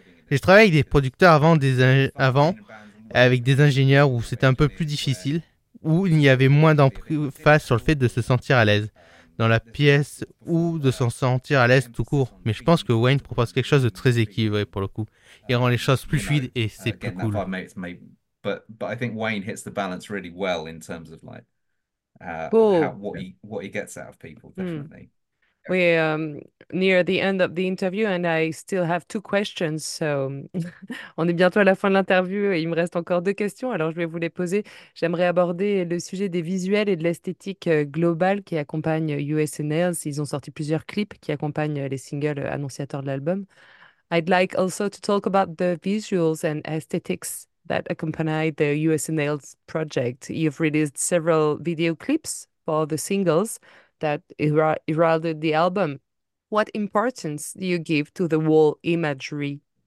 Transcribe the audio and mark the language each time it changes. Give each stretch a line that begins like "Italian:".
French: J'ai travaillé avec des producteurs avant, avec des ingénieurs où c'était un peu plus difficile, où il y avait moins d'emphase sur le fait de se sentir à l'aise dans la pièce ou de s'en sentir à l'aise tout court. Mais je pense que Wayne propose quelque chose de très équilibré pour le coup. Il rend les choses plus fluides et c'est plus cool.
English: But I think Wayne hits the balance really well in terms of like what he gets out of people differently. We're near the end of the interview and I still have two questions.
French: So, on est bientôt à la fin de l'interview et il me reste encore deux questions. Alors, je vais vous les poser. J'aimerais aborder le sujet des visuels et de l'esthétique globale qui accompagne US & Nails. Ils ont sorti plusieurs clips qui accompagnent les singles annonciateurs de l'album.
English: I'd like also to talk about the visuals and aesthetics that accompany the US & Nails project. You've released several video clips for the singles that heralded the album. What importance do you give to the wall imagery?